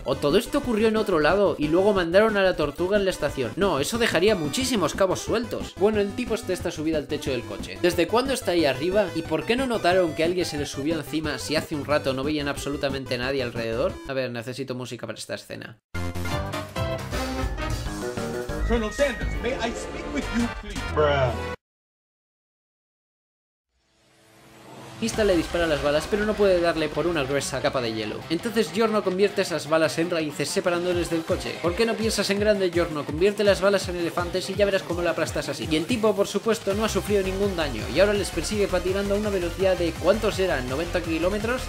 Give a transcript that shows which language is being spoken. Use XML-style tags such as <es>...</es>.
<es>¿O todo esto ocurrió en otro lado y luego mandaron a la tortuga en la estación? No, eso dejaría muchísimos cabos sueltos. Bueno, el tipo este está subido al techo del coche. ¿Desde cuándo está ahí arriba? ¿Y por qué no notaron que alguien se le subió encima si hace un rato no veían absolutamente nadie alrededor? A ver, necesito música para esta escena.</es> <en>Colonel Sanders, may I speak with you, please? Bruh.</en> <es>Mista le dispara las balas, pero no puede darle por una gruesa capa de hielo. Entonces Giorno convierte esas balas en raíces separándoles del coche. ¿Por qué no piensas en grande, Giorno? Convierte las balas en elefantes y ya verás cómo la aplastas así. Y el tipo, por supuesto, no ha sufrido ningún daño y ahora les persigue patinando a una velocidad de... ¿cuántos eran? ¿90 kilómetros?</es>